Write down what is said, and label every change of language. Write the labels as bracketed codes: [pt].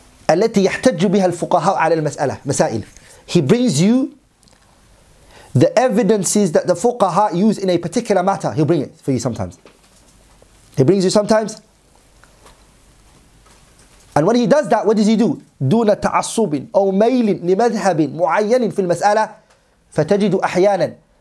[ar] التي يحتج بها الفقهاء على المسألة مسائل. [en] He brings you the evidences that the fuqaha use in a particular matter. He'll bring it for you sometimes. He brings you sometimes. And when he does that, what does he do? [ar] دون تعصب أو ميل لمذهب معين في المسألة فتجد أحيانا.